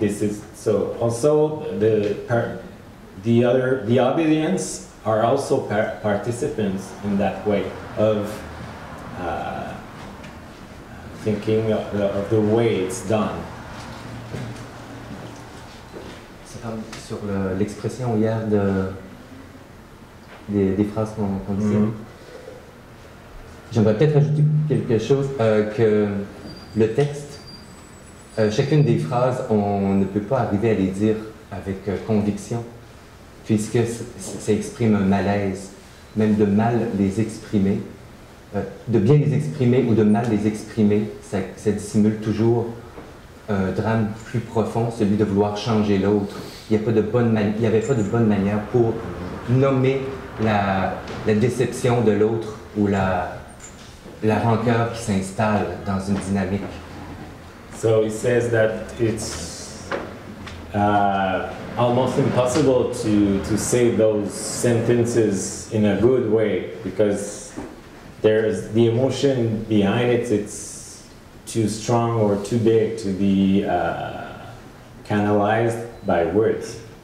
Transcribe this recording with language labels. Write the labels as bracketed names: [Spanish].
[English] This is so. Also, the audience are also participants in that way of thinking of the way it's done. [French] Sur l'expression hier de des phrases qu'on dit. J'aimerais peut-être ajouter quelque chose, que le texte, chacune des phrases, on ne peut pas arriver à les dire avec conviction, puisque ça exprime un malaise, même de mal les exprimer. De bien les exprimer ou de mal les exprimer, ça dissimule toujours un drame plus profond, celui de vouloir changer l'autre. Il n'y avait pas de bonne manière pour nommer la déception de l'autre ou la rancœur qui s'installe dans une dynamique. [English] So he says that it's almost impossible to say those sentences in a good way, because there's the emotion behind it. It's too strong or too big to be canalized by words.